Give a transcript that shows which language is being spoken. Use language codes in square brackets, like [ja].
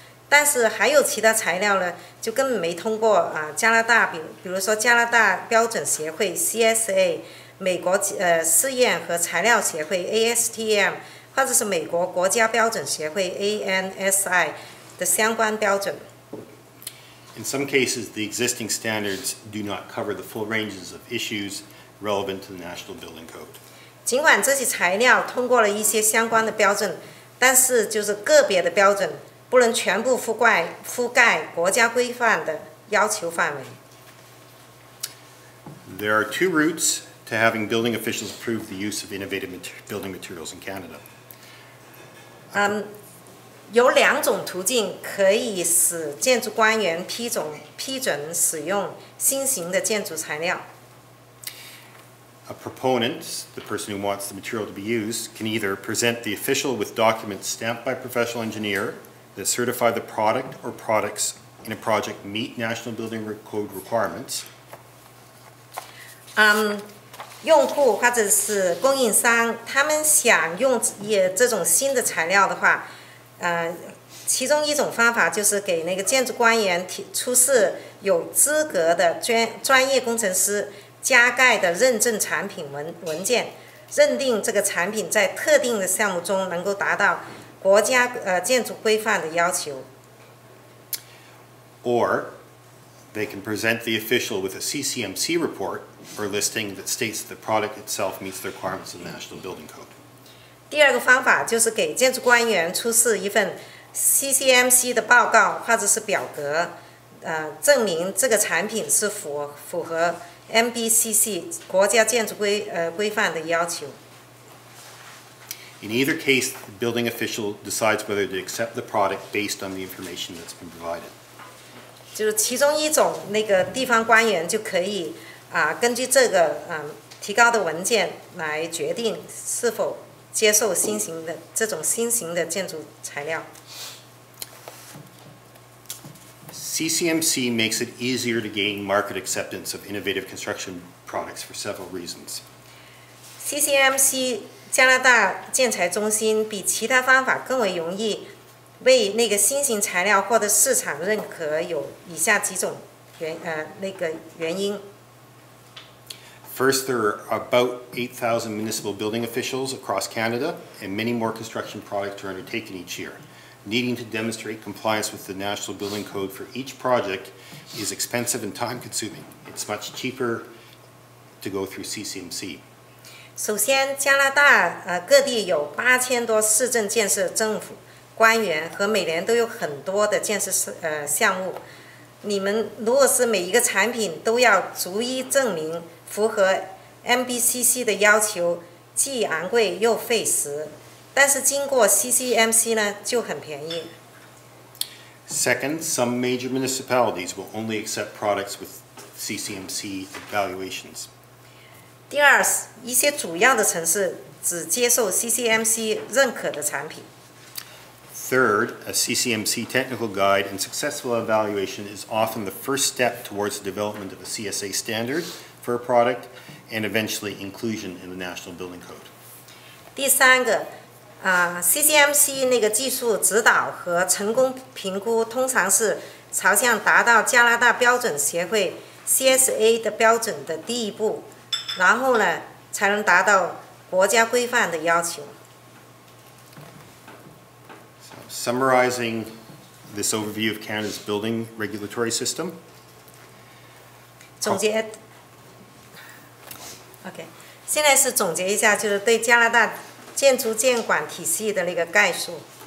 [zh] 但是还有其他材料呢，就根本没通过加拿大，比如说加拿大标准协会 CSA， 美国试验和材料协会 ASTM， 或者是美国国家标准协会 ANSI 的相关标准。 [en] In some cases, the existing standards do not cover the full ranges of issues relevant to the National Building Code. [zh] 尽管这些材料通过了一些相关的标准，但是就是个别的标准。不能全部覆盖国家规范的要求范围。 [en] There are two routes to having building officials approve the use of innovative building materials in Canada. [zh] 有两种途径可以使建筑官员批准使用新型的建筑材料。 [en] A proponent, the person who wants the material to be used, can either present the official with documents stamped by a professional engineer. That certify the product or products in a project meet National Building Code requirements. [zh] 用户或者是供应商，他们想用这种新的材料的话，其中一种方法就是给那个建筑官员出示有资格的专业工程师加盖的认证产品文件，认定这个产品在特定的项目中能够达到。国家建筑规范的要求。 [en] Or they can present the official with a CCMC report or listing that states the product itself meets the requirements of the National Building Code. [zh] 第二个方法就是给建筑官员出示一份 CCMC 的报告或者是表格，证明这个产品是符合 MBCC 国家建筑规范的要求。 [en] In either case, the building official decides whether to accept the product based on the information that's been provided. [zh] 就是其中一种那个地方官员就可以啊，根据这个提高的文件来决定是否接受新型的这种新型的建筑材料。 [en] CCMC makes it easier to gain market acceptance of innovative construction products for several reasons. [zh] CCMC 加拿大建材中心比其他方法更为容易为那个新型材料获得市场认可，有以下几种原因。 [en] First, there are about 8,000 municipal building officials across Canada, and many more construction projects are undertaken each year. Needing to demonstrate compliance with the National Building Code for each project is expensive and time-consuming. It's much cheaper to go through CCMC. [zh] 首先，加拿大各地有8000多市政建设政府官员和每年都有很多的建设项目。你们如果是每一个产品都要逐一证明符合 MBCC 的要求，既昂贵又费时。但是经过 CCMC 呢，就很便宜。 [en] Second, some major municipalities will only accept products with CCMC evaluations. [zh] 第二，一些主要的城市只接受 CCMC 认可的产品。 [en] Third, a CCMC technical guide and successful evaluation is often the first step towards the development of a CSA standard for a product and eventually inclusion in the National Building Code. [zh] 第三个，CCMC 那个技术指导和成功评估通常是朝向达到加拿大标准协会 CSA 的标准的第一步，然后呢，才能达到国家规范的要求。 [en] Summarizing this overview of Canada's building regulatory system. [zh] 总结 ，OK， 现在是总结一下，就是对加拿大建筑建管体系的那个概述。